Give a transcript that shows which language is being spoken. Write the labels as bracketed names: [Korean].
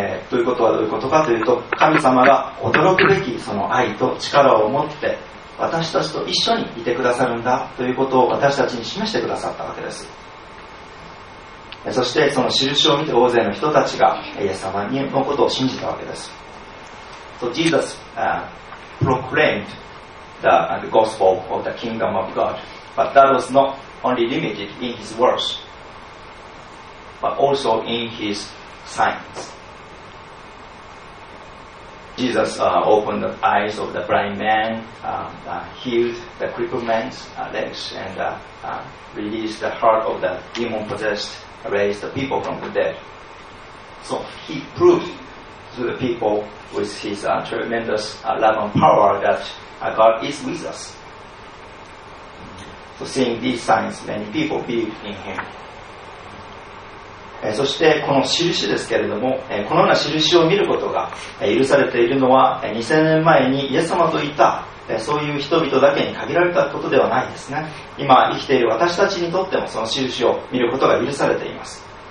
[Japanese] ということはどういうことかというと、神様が驚くべきその愛と力を持って私たちと一緒にいてくださるんだということを私たちに示してくださったわけです。そしてその印を見て大勢の人たちがイエス様のことを信じたわけです。 [English] So Jesus proclaimed the gospel of the kingdom of God, but that was not only limited in his words, but also in his signs. Jesus opened the eyes of the blind man, healed the crippled man's legs, and released the heart of the demon-possessed, raised the people from the dead. So he proved to the people with his tremendous love and power that God is with us. So seeing these signs, many people believed in him. [Japanese] そしてこの印ですけれども、このような印を見ることが許されているのは2000年前にイエス様といたそういう人々だけに限られたことではないですね。今生きている私たちにとってもその印を見ることが許されています。